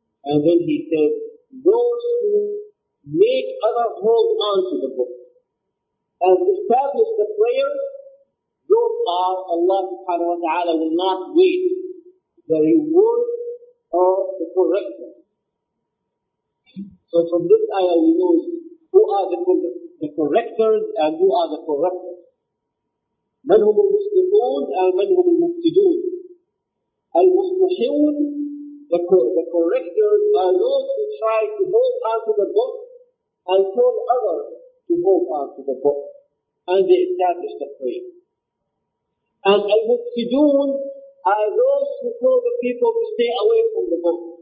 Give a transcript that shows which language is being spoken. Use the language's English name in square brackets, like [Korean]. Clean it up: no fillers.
[English] And then He said, those who make other hold on to the book and establish the prayer, those are, Allah subhanahu wa ta'ala will not wait the reward of the corrector. So from this ayah we know who are the correctors and who are the corruptors. [Arabic] من هم المصلحون and من هم المفسدون. [English] المصلحون, the correctors, are those who try to hold on to the book and call others to hold on to the book, and they establish the prayer. And al-mufsidun are those who call the people to stay away from the book.